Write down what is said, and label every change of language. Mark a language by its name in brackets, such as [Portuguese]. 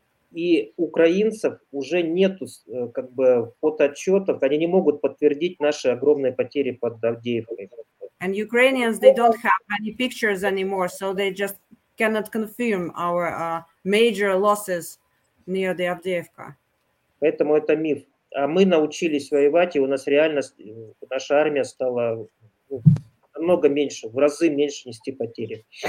[Russian] И украинцев уже нету как бы фотоотчетов, они не могут подтвердить наши огромные потери под Авдеевкой. [English] And Ukrainians, they don't have any pictures anymore, so they just cannot confirm our major losses near the Avdiivka. [Russian] Поэтому это миф. А мы научились воевать, и у нас реальность, наша армия стала намного меньше, в разы меньше нести потери.